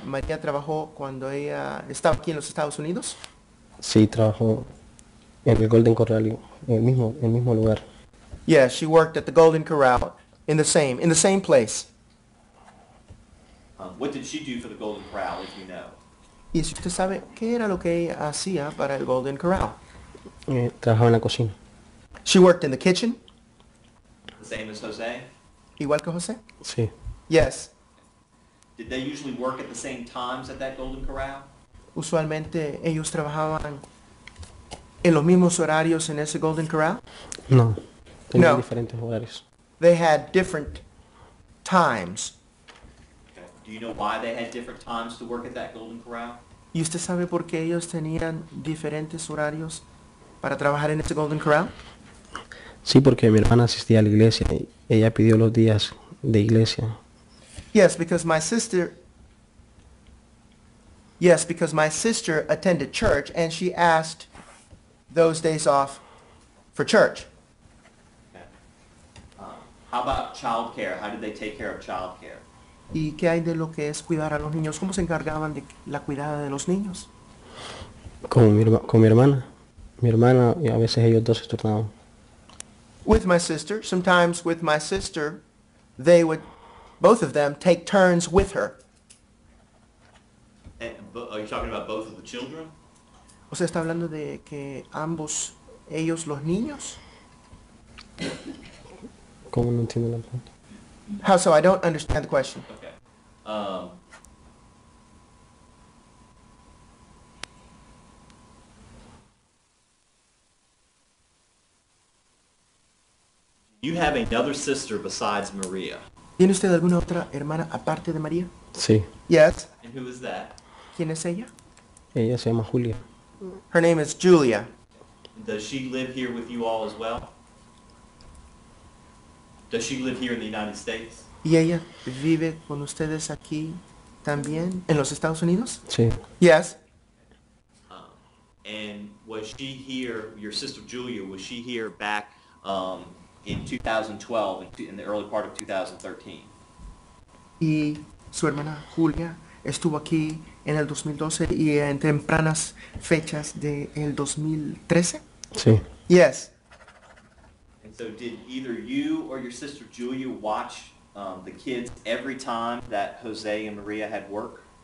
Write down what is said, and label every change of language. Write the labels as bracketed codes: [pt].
[es] ¿María trabajó cuando ella estaba aquí en los Estados Unidos? Sí, trabajó en el Golden Corral, en el mismo lugar. [en] Yeah, she worked at the Golden Corral in the same place. What did she do for the Golden Corral, if you know? [es] ¿Y si usted sabe qué era lo que ella hacía para el Golden Corral? Trabajaba en la cocina. [en] She worked in the kitchen. The same as Jose? [es] Igual que Jose? Sí. [en] Yes. Did they usually work at the same times at that Golden Corral? [es] Usualmente ellos trabajaban en los mismos horarios en ese Golden Corral? No. Tenían diferentes horarios. [en] They had different times. Okay. Do you know why they had different times to work at that Golden Corral? [es] ¿Y usted sabe por qué ellos tenían diferentes horarios para trabajar en ese Golden Corral? Sí, porque mi hermana asistía a la iglesia y ella pidió los días de iglesia. [en] Yes, because my sister Yes, because my sister attended church, and she asked those days off for church. How about child care? How did they take care of child care? [es] ¿Y qué hay de lo que es cuidar a los niños? ¿Cómo se encargaban de la cuidada de los niños? Con mi hermana. Mi hermana, y a veces ellos dos se turnaban. [en] With my sister. Sometimes with my sister, they would, both of them, take turns with her. Are you talking about both of the children? [es] O sea, está hablando de que ambos, ellos, los niños? ¿Cómo no entiendo la pregunta? [en] How so? I don't understand the question. Okay. You have another sister besides Maria. [es] ¿Tiene usted alguna otra hermana aparte de María? Sí. [en] Yes. And who is that? [es] ¿Quién es ella? Ella se llama Julia. [en] Her name is Julia. Does she live here with you all as well? Does she live here in the United States? [es] ¿Y ella vive con ustedes aquí también en los Estados Unidos? Sí. [en] Yes. And was she here, your sister Julia, was she here back in 2012, in the early part of 2013? [es] ¿Y su hermana Julia estuvo aquí en el 2012 y en tempranas fechas de el 2013? Sí. [en] Yes. And so did either you or your sister Julia watch the kids every time that Jose and Maria had work?